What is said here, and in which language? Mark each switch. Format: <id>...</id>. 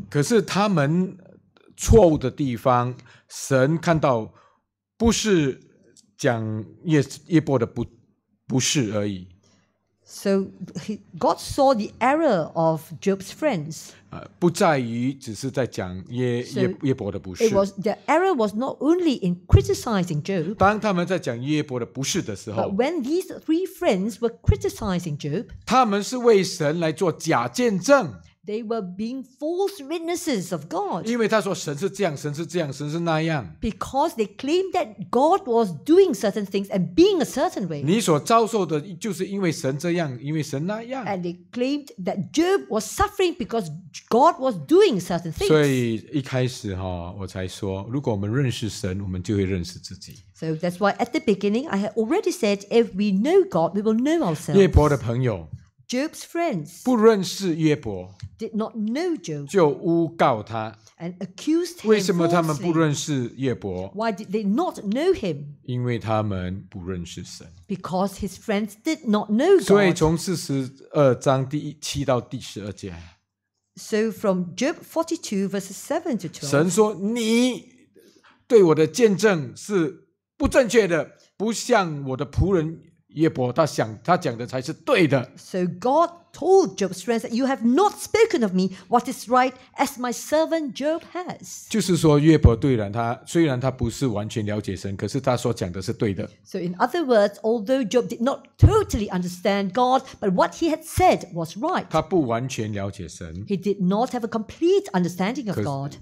<zh>可是他们 错误的地方, 神看到不是讲约伯的不是而已,</zh> <en>so God saw the error of Job's friends.</en> <zh>不在于只是在讲约伯的不是,</zh> <en>it was, the error was not only in criticizing Job.</en> <zh>当他们在讲约伯的不是的时候,</zh> <en>but when these three friends were criticizing Job,</en> <zh>他们是为神来做假见证,</zh> <en>they were being false witnesses of God.</en> <zh>因为他说神是这样, 神是这样, 神是那样,</zh> <en>because they claimed that God was doing certain things and being a certain way.</en> <zh>你所遭受的就是因为神这样, 因为神那样,</zh> <en>and they claimed that Job was suffering because God was doing certain things.</en> <zh>所以一开始哦, 我才说, 如果我们认识神, 我们就会认识自己。</zh> <en>So that's why at the beginning I had already said, if we know God, we will know ourselves.</en> <zh>约伯的朋友,</zh> <en>Job's friends,</en> <zh>不认识约伯,</zh> <en>did not know Job,</en> <zh>就诬告他,</zh> <en>and accused him.</en> <zh>为什么他们不认识约伯?</zh> <en>Why did they not know him?</en> <zh>因为他们不认识神,</zh> <en>because his friends did not know God.</en> <zh>所以从42章第7到第12节,</zh> <en>so from Job 42 verses 7 to 12,</en> <zh>神说你对我的见证是不正确的，不像我的仆人 约伯他讲的才是对的。</zh> <en>So God told Job's friends that you have not spoken of me what is right as my servant Job has.</en> <zh>就是说约伯虽然他不是完全了解神，可是他所讲的是对的。</zh> <en>So in other words, although Job did not totally understand God, but what he had said was right.</en> <zh>他不完全了解神,</zh> <en>he did not have a complete understanding of God.</en>